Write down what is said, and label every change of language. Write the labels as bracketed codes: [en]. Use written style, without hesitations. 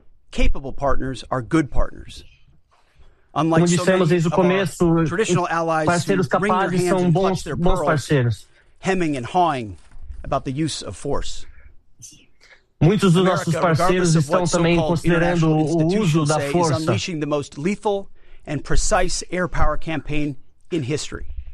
[en] Capable partners are good partners. [pt] Como dissemos desde o começo, parceiros capazes são bons parceiros. [en] Hemming and hawing about the use of force. [pt] Muitos dos nossos parceiros estão também considerando o uso da força. [en] Is unleashing the most lethal and precise air power campaign in history.